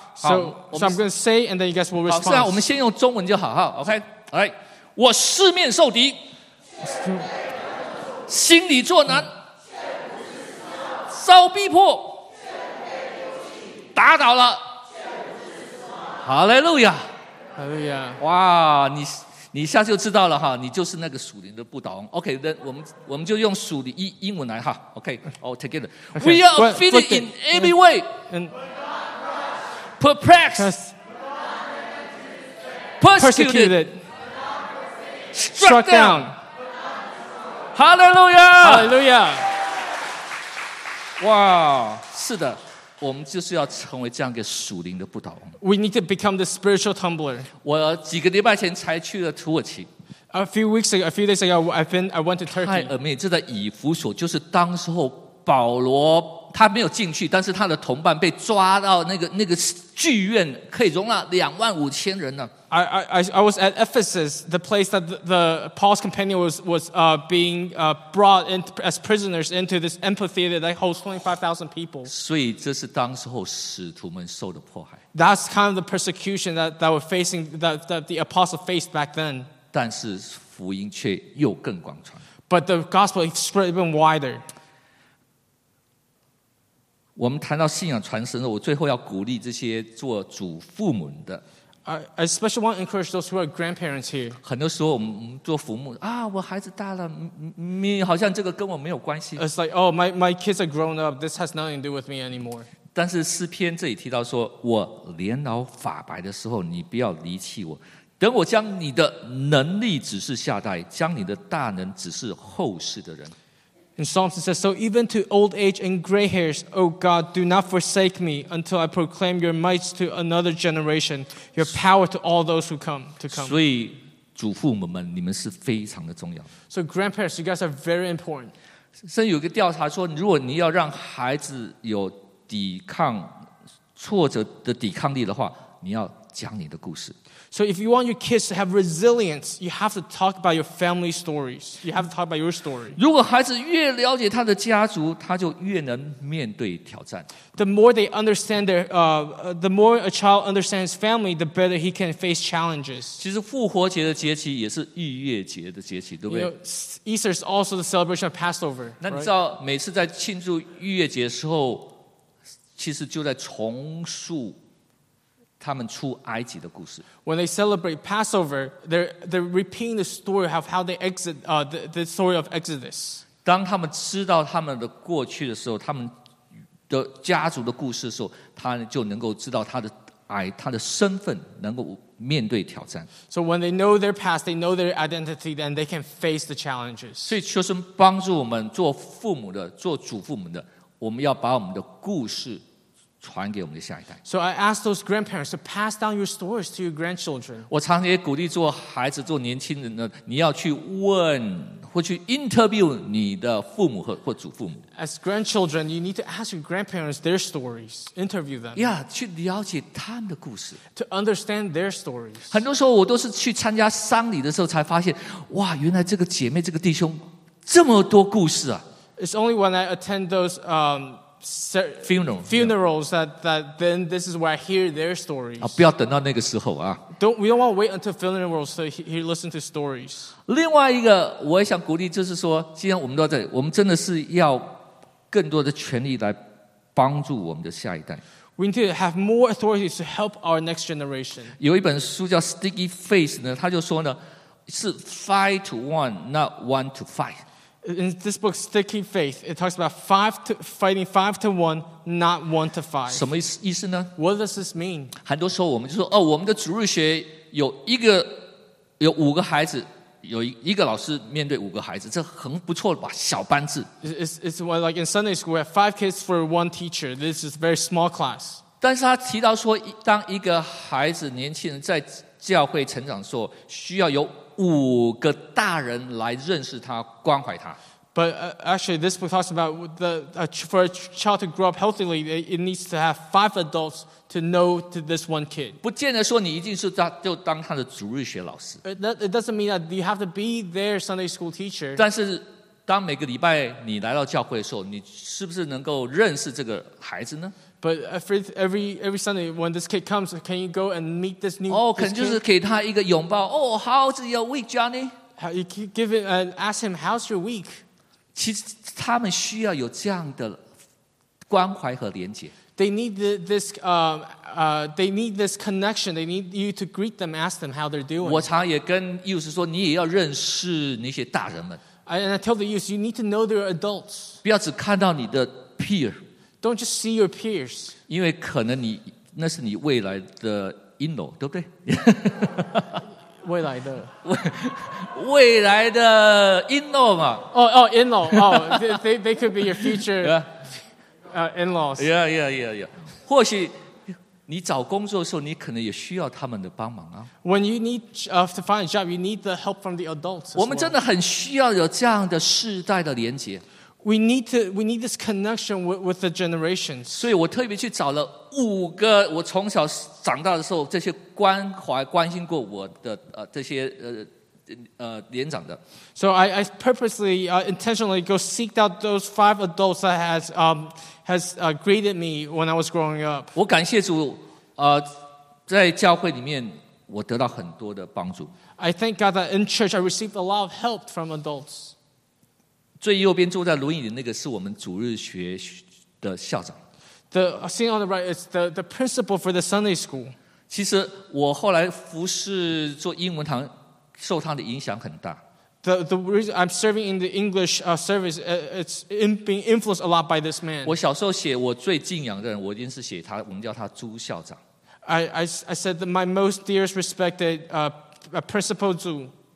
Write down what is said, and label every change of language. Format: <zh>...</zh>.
<en>So I'm going to say and then you guys will respond.</en> <zh>好，是啊，我们先用中文就好，好 ，OK， 来，我四面受敌，心里作难，遭逼迫，打倒了，哈利路亚，哈利路亚，哇，你一下就知道了哈，你就是那个属灵的不倒翁。 OK， 我们就用属灵英文来哈。</zh> <en>OK， all together， okay, we are afflicted in every way， perplexed， persecuted， struck down， Hallelujah， Hallelujah，</en> <zh>哇，是的。我们就是要成为这样一个属灵的不倒翁。</zh> <en>We need to become the spiritual tumbler.</en> <zh>我几个礼拜前才去了土耳其。</zh> <en>A few days ago, I went to Turkey.</en> <zh>太 amazing！这在以弗所，就是当时候保罗他没有进去，但是他的同伴被抓到那个剧院，可以容纳25,000人呢。</zh> <en>I was at Ephesus, the place that the Paul's companion was being brought in as prisoners into this amphitheater that holds 25,000 people.</en> <zh>所以这是当时候使徒们受的迫害。</zh> <en>That's kind of the persecution that were facing that the apostle faced back then.</en> <zh>但是福音却又更广传。</zh> <en>But the gospel spread even wider.</en> <zh>我们谈到信仰传神的，我最后要鼓励这些做祖父母的。</zh> <en>I especially want to encourage those who are grandparents here.</en> <zh>很多时候我们做父母啊，我孩子大了，你好像这个跟我没有关系。</zh> <en>It's like, oh, my kids are grown up. This has nothing to do with me anymore.</en> <zh>但是诗篇这里提到说，我年老发白的时候，你不要离弃我。等我将你的能力指示下代，将你的大能指示后世的人。</zh> <en>In Psalms it says, so even to old age and gray hairs, O God, do not forsake me until I proclaim your might to another generation, your power to all those who come.</en> <zh>所以祖父母们，你们是非常的重要。</zh> <en>So grandparents, you guys are very important.</en> <zh>甚至有一个调查说，如果你要让孩子有抵抗挫折的抵抗力的话，你要讲你的故事。</zh> <en>So if you want your kids to have resilience, you have to talk about your family stories. You have to talk about your story.</en> <zh>如果孩子越了解他的家族，他就越能面对挑战。</zh> <en>The more they understand their, the more a child understands family, the better he can face challenges.</en> <zh>其实复活节的节期也是逾越节的节期，对不对</zh> <en>？Easter is also the celebration of Passover.</en> <zh>那你知道每次在庆祝逾越节的时候，其实就在重述。他们出埃及的故事。</zh> <en>When they celebrate Passover, they're repeating the story of how they exit, the story of Exodus.</en> <zh>当他们知道他们的过去的时候，他们的家族的故事的时候，他就能够知道他的身份，能够面对挑战。</zh> <en>So when they know their past, they know their identity, then they can face the challenges.</en> <zh>所以求神帮助我们做父母的，做祖父母的，我们要把我们的故事。传给我们的下一代。</zh> <en>So I ask those grandparents to pass down your stories to your grandchildren.</en> <zh>我常常也鼓励做孩子、做年轻人的，你要去问或去 interview 你的父母或祖父母。</zh> <en>As grandchildren, you need to ask your grandparents their stories, interview them.</en> <zh>Yeah, 去了解他们的故事。</zh> <en>To understand their stories.</en> <zh>很多时候我都是去参加丧礼的时候才发现，哇，原来这个姐妹、这个弟兄这么多故事啊。</zh> <en>It's only when I attend those funerals that then this is where I hear their stories.</en> <zh>啊，不要等到那个时候啊。</zh> <en>We don't want to wait until funerals to hear listen to stories.</en> <zh>另外一个，我也想鼓励，就是说，既然我们都在，我们真的是要更多的权力来帮助我们的下一代。</zh> <en>We need to have more authorities to help our next generation.</en> <zh>有一本书叫《Sticky Face》呢，他就说呢，是</zh> <en>5-1, not 1-5。 In this book, Sticky Faith, it talks about fighting 5-1, not 1-5.</en> <zh>什么意思呢</zh> <en>？What does this mean?</en> <zh>很多时候我们就说，哦，我们的主日学有一个有五个孩子，有一个老师面对五个孩子，这很不错吧？小班制。</zh> <en>It's like in Sunday school, we have 5 kids for one teacher. This is a very small class.</en> <zh>但是他提到说，当一个孩子年轻人在教会成长的时候，需要有五个大人来认识他，关怀他。</zh> <en>But actually, this book talks about for a child to grow up healthily, it needs to have 5 adults to know to this one kid.</en> <zh>不见得说你一定是就当他的主日学老师。</zh> <en>It doesn't mean that you have to be their Sunday school teacher.</en> <zh>但是当每个礼拜你来到教会的时候，你是不是能够认识这个孩子呢？</zh> <en>But every Sunday when this kid comes, can you go and meet this new?</en> <zh>Oh, 可能就是给他一个拥抱。</zh> <en>Oh, how's your week, Johnny? You give it and ask him how's your week.</en> <zh>其实他们需要有这样的关怀和连接。</zh> <en>They need this they need this connection. They need you to greet them, ask them how they're doing.</en> <zh>我常也跟幼师说，你也要认识那些大人们。</zh> <en>And I tell the youth, you need to know their adults.</en> <zh>不要只看到你的 peer.</zh> <en>Don't just see your peers.</en> <zh>因为可能你那是你未来的 in-law, 对不对？未来的未来的 in-law 嘛。</zh> <en>In-law. Oh, they could be your future in-laws. Yeah.</en> <zh>或许你找工作的时候，你可能也需要他们的帮忙啊。</zh> <en>When you need to find a job, you need the help from the adults.</en> <zh>我们真的很需要有这样的世代的连接。</zh> <en>We need this connection with the generations.</en> <zh>所以我特别去找了五个我从小长大的时候这些关怀关心过我的这些年长的。</zh> <en>So I purposely intentionally go seek out those 5 adults that has greeted me when I was growing up.</en> <zh>我感谢主，在教会里面我得到很多的帮助。</zh> <en>I thank God that in church I received a lot of help from adults.</en> <zh>最右边坐在轮椅的那个是我们主日学的校长。</zh> <en>The scene on the right is the principal for the Sunday school.</en> <zh>其实我后来服侍做英文堂，受他的影响很大。</zh> <en>The reason I'm serving in the English service, it's being influenced a lot by this man.</en> <zh>我小时候写我最敬仰的人，我一定是写他，我们叫他朱校长。</zh> <en>I said that my most dearest respected principal Zhu.</en>